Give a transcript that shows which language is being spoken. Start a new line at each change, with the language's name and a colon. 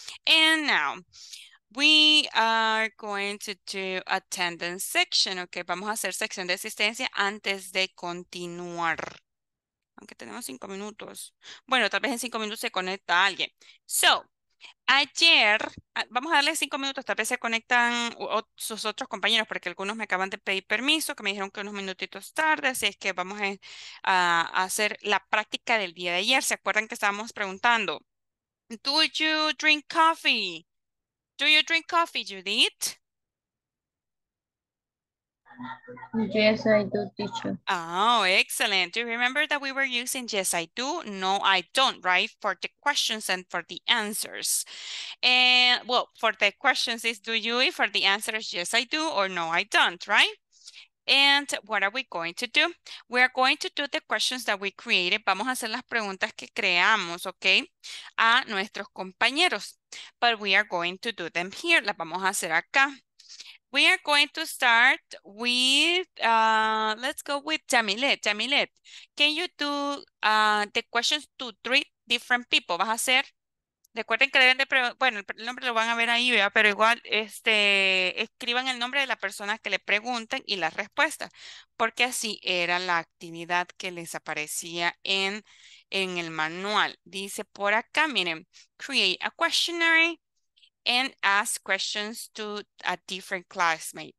English: And now we are going to do attendance section. Okay.
Spanish: Vamos a hacer sección de asistencia antes de continuar. Aunque tenemos 5 minutos. Bueno, tal vez en 5 minutos se conecta alguien. So, Ayer, vamos a darle 5 minutos, tal vez se conectan sus otros compañeros, porque algunos me acaban de pedir permiso, que me dijeron que unos minutitos tarde, así es que vamos a hacer la práctica del día de ayer. ¿Se acuerdan que estábamos preguntando?
English: Do you drink coffee? Do you drink coffee, Judith? Yes, I do, teacher. Oh, excellent. Do you remember that we were using yes, I do, no, I don't, right? For the questions and for the answers. And well, for the questions is do you, for the answers, yes, I do or no, I don't, right? And what are we going to do? We are going to do the questions that we created.
Spanish: Vamos a hacer las preguntas que creamos, okay, a nuestros compañeros.
English: But we are going to do them here.
Spanish: Las vamos a hacer acá.
English: We are going to start with, let's go with Jamilet. Jamilet, can you do the questions to 3 different people?
Spanish: Vas a hacer, recuerden que deben de, bueno, el nombre lo van a ver ahí, ¿verdad? Pero igual escriban el nombre de la persona que le pregunten y la respuesta, porque así era la actividad que les aparecía en el manual. Dice por acá, miren,
English: create a questionnaire and ask questions to a different classmate.